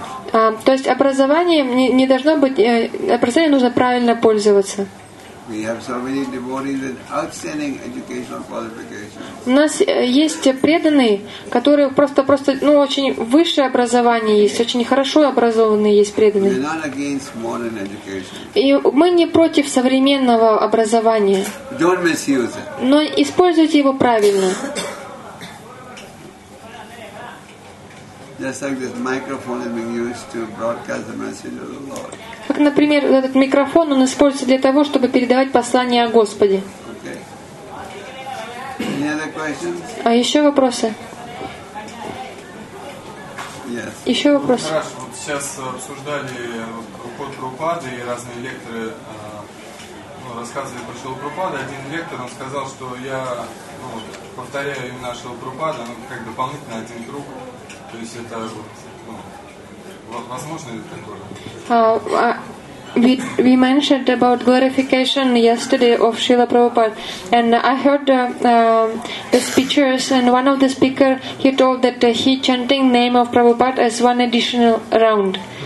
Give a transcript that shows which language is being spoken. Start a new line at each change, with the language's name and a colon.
Russian: То есть образование не должно быть, образование нужно правильно пользоваться.
English: We have so many devotees with outstanding educational qualifications.
Russian: У нас есть преданные, которые просто, ну, очень высшее образование есть, очень хорошо образованные есть преданные.
English: We're not against modern education.
Russian: И мы не против современного образования.
English: Don't misuse it.
Russian: Но используйте его правильно.
English: Just like this microphone is being used to broadcast the message of the Lord.
Russian: Как, например, этот микрофон, он используется для того, чтобы передавать послание о Господе.
English: Okay. Any other questions?
Russian: А еще вопросы?
English: Yes.
Russian: Еще вопросы? Хорошо, вот сейчас обсуждали уход Прабхупады, и разные лекторы рассказывали про Шрилу Прабхупаду. Один лектор, он сказал, что я повторяю имя Шрилы Прабхупады, ну, как дополнительно один круг, то есть это вот...
English: We mentioned about glorification yesterday of Srila Prabhupada, and I heard the speeches, and one of the speakers, he told that he chanting name of Prabhupada as one additional round.